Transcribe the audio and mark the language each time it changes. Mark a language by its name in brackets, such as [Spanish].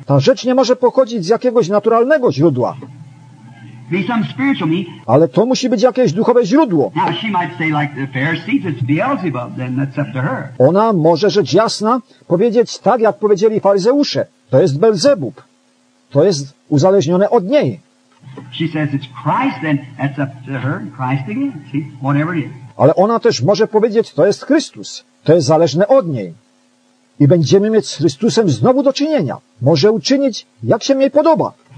[Polish] Ta rzecz nie może pochodzić z jakiegoś naturalnego źródła. [English] Be some spiritual meat. [Polish] Ale to musi być jakieś duchowe źródło. [English] Now she might say like the Pharisees, it's Beelzebub, then that's up to her. [Polish] Ona może rzecz jasna powiedzieć tak, jak powiedzieli faryzeusze. To jest Belzebub. To jest uzależnione od niej. [English] She says it's Christ, then that's up to her. Christ again. See, whatever it is. [Polish] Ale ona też może powiedzieć, to jest Chrystus. To jest zależne od niej. I będziemy mieć z Chrystusem znowu do czynienia. Może uczynić, jak się jej podoba.